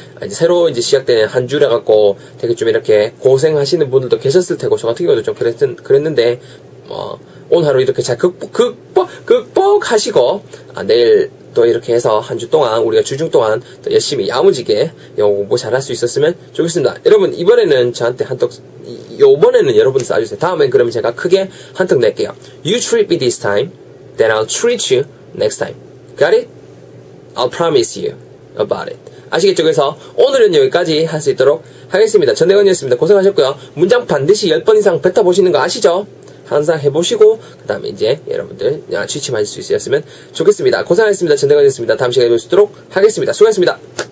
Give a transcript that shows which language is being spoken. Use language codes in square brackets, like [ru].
[ko] 아, 이제 새로 이제 시작되는 한 주라 갖고 되게 좀 이렇게 고생하시는 분들도 계셨을 테고, 저 같은 경우도 좀 그랬는데, 뭐 오늘 하루 이렇게 잘 극복하시고, 아, 내일 또 이렇게 해서 한 주 동안 우리가 주중 동안 또 열심히 야무지게 영어 공부 잘할 수 있었으면 좋겠습니다. 여러분 이번에는 저한테 한턱 요번에는 여러분 쏴주세요. 다음엔 그러면 제가 크게 한턱 낼게요. [en] You treat me this time, then I'll treat you next time. Got it? I'll promise you about it. [ko] 아시겠죠? 그래서 오늘은 여기까지 할 수 있도록 하겠습니다. 전대건이었습니다. 고생하셨고요. 문장 반드시 10번 이상 뱉어보시는 거 아시죠? 항상 해보시고 그 다음에 이제 여러분들 취침하실 수 있었으면 좋겠습니다. 고생하셨습니다. 전대건이었습니다. 다음 시간에 뵙도록 하겠습니다. 수고하셨습니다.